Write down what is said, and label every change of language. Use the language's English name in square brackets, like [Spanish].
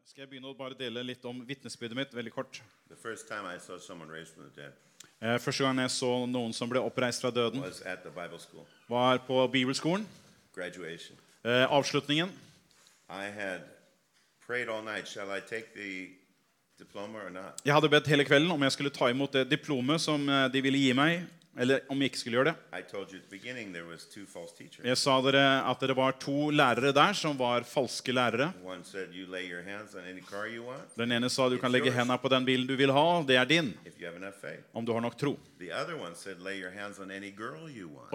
[Norwegian] Skal jeg begynne å bare dele litt om vitnesbyrdet mitt, veldig kort. [English] The first time I saw someone raised from the dead. [Norwegian] Første gang jeg så noen som ble oppreist fra døden. [English] Was at the Bible school. [Norwegian] Var på bibelskolen. [English] Graduation. [Norwegian] Avslutningen. [English] I had prayed all night. Shall I take the diploma or not? [Norwegian] Jeg hadde bedt hele kvelden om jeg skulle ta imot det diplomet som de ville gi meg. Eller om jeg ikke skulle gjøre det. [English] I told you at the beginning there was two false teachers. [Norwegian] Jeg sa dere at det var to lærere der som var falske lærere. [English] One said you lay your hands on any car you want. [Norwegian] Den ene sa du kan legge hendene på den bilen du vil ha, det din. [English] If you have enough faith. [Norwegian] Om du har nok tro. [English] The other one said lay your hands on any girl you want.